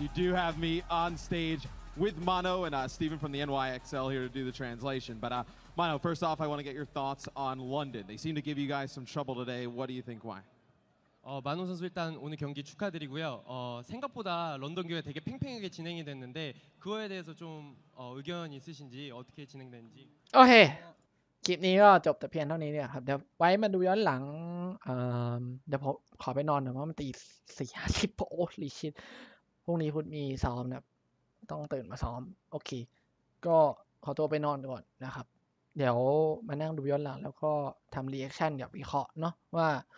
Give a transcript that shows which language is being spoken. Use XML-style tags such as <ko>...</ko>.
<en>You do have me on stage with Mono and Stephen from the NYXL here to do the translation. ButMino, first off, I want to get your thoughts on London. They seem to give you guys some trouble today. What do you think? Why?</en> <ko>Mino 선수 일단 오늘 경기 축하드리고요. 생각보다 런던 경기 되게 팽팽하게 진행이 됐는데 그거에 대해서 좀 의견 있으신지 어떻게 진행되는지.</ko> <en>Okay.</en> <th>คลิปนี้ก็จบแต่เพียงเท่านี้เนี่ยครับเดี๋ยวไว้มาดูย้อนหลังเดี๋ยวผมขอไปนอนหน่อยเพราะมันตี 4:50 โอ้ยลิชิตพรุ่งนี้พุธมีซ้อมนะต้องตื่นมาซ้อมโอเคก็ขอตัวไปนอนก่อนนะครับเดี๋ยวมานั่งดูย้อนหลังแล้วก็ทำรีแอคชั่นกับวิเคราะห์เนาะว่า</th>